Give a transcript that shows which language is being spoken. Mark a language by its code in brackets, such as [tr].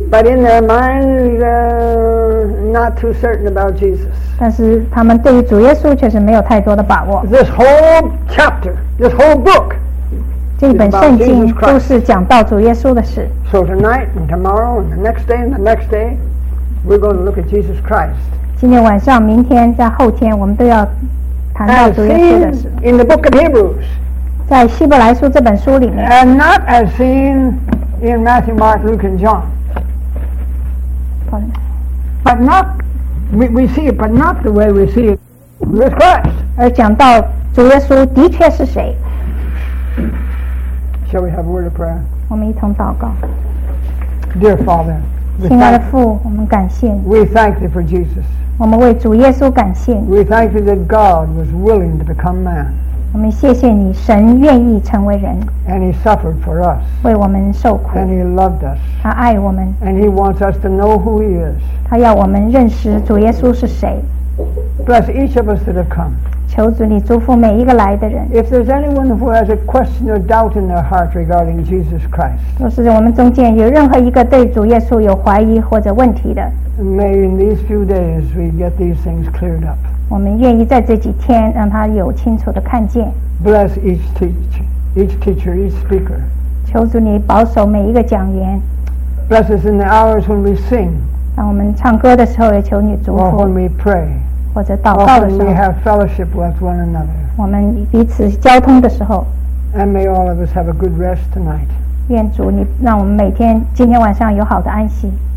[en] But in their minds, not too certain about Jesus. [zh] 但是他们对于主耶稣确实没有太多的把握。 [en] This whole chapter, this whole book, [zh] 这本圣经都是讲到主耶稣的事。 [en] So tonight and tomorrow and the next day and the next day, we're going to look at Jesus Christ. [zh] 今天晚上、明天、在后天，我们都要谈到主耶稣的事。 [en] In the book of Hebrews, [zh] 在希伯来书这本书里面。 [en] And not as seen in Matthew, Mark, Luke, and John. But not we see it, but not the way we see it. Jesus Christ. [zh] 而讲到主耶稣的确是谁。 [en] Shall we have a word of prayer? [zh] 我们一同祷告。 [en] Dear Father, [zh] 亲爱的父，我们感谢你。 [en] We thank you for Jesus. [zh] 我们为主耶稣感谢你。 [en] We thank you that God was willing to become man. [zh] 我们谢谢你，神愿意成为人。 [en] And he suffered for us. [zh] 为我们受苦。 [en] And he loved us. [zh] 他爱我们。 [en] And he wants us to know who he is. [zh] 他要我们认识主耶稣是谁。 [en] Bless each of us that have come. [zh] 求主你祝福每一个来的人。 [en] If there's anyone who has a question or doubt in their heart regarding Jesus Christ, [zh] 若是我们中间有任何一个对主耶稣有怀疑或者问题的。 [en] May in these few days we get these things cleared up. [zh] 我们愿意在这几天让他有清楚的看见。 [en] Bless each teacher, each speaker. [zh] 求主你保守每一个讲员。 [en] Bless us in the hours when we sing. [zh] 当我们唱歌的时候也求你祝福。 [en] Or when we pray. [zh] 或者祷告的时候 [en] Often we have fellowship with one another. [zh] 我们彼此交通的时候 [en] And may all of us have a good rest tonight. [zh] 愿主你让我们每天今天晚上有好的安息